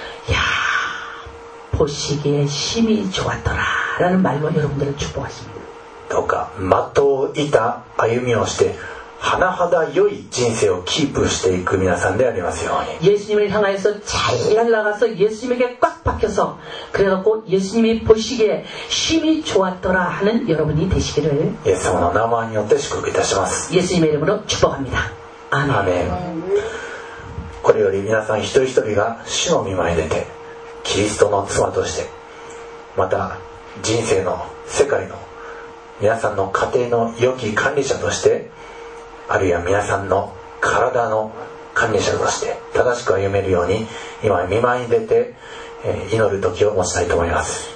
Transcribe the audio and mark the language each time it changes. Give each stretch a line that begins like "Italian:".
Korean: 야, 보시기에 심히 좋았더라 라는 말로 여러분들을 축복하십니다.
Japanese: とか的を射た歩みをして甚だ良い人生をキープしていく皆さんでありますように。
Korean: 예수님을향하여서잘날아가서예수님에게꽉박혀서그래갖고예수님이보시기에심히좋았더라하는여러분이되시기를 예수님의이름으로축복이되십니다 예수님의이름으로축복합니다아멘, 아멘
Japanese: これより皆さん一人一人が主の御前に出てキリストの妻としてまた人生の世界の皆さんの家庭の良き管理者としてあるいは皆さんの体の管理者として正しく歩めるように今御前に出て祈る時を持ちたいと思います。